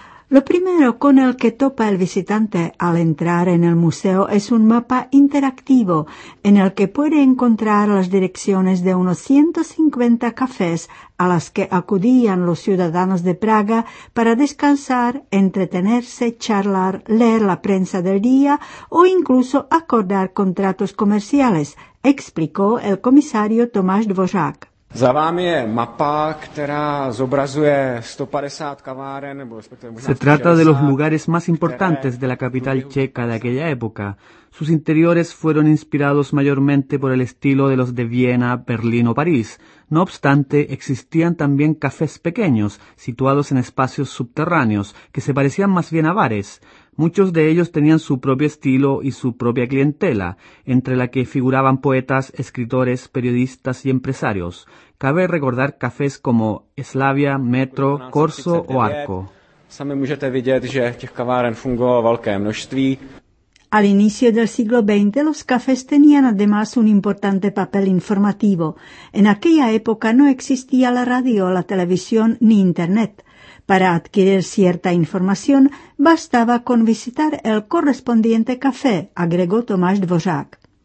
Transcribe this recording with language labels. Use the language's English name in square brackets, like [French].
[Spanish] Lo primero con el que topa el visitante al entrar en el museo es un mapa interactivo en el que puede encontrar las direcciones de unos 150 cafés a las que acudían los ciudadanos de Praga para descansar, entretenerse, charlar, leer la prensa del día o incluso acordar contratos comerciales, explicó el comisario Tomáš Dvořák. [Czech] Za vámi je mapa, která zobrazuje 150 kaváren, nebo respektive možná. [Spanish] Se trata de los lugares más importantes de la capital checa de aquella época. Sus interiores fueron inspirados mayormente por el estilo de los de Viena, Berlín o París. No obstante, existían también cafés pequeños, situados en espacios subterráneos, que se parecían más bien a bares. Muchos de ellos tenían su propio estilo y su propia clientela, entre la que figuraban poetas, escritores, periodistas y empresarios. Cabe recordar cafés como Slavia, Metro, Corso o Arco. [Czech] Sami můžete vidět, že těch kaváren fungovalo velké množství. [Spanish] Al inicio del siglo XX, los cafés tenían además un importante papel informativo. En aquella época no existía la radio, la televisión ni Internet. Para adquirir cierta información, bastaba con visitar el correspondiente café, agregó Tomáš Dvořák.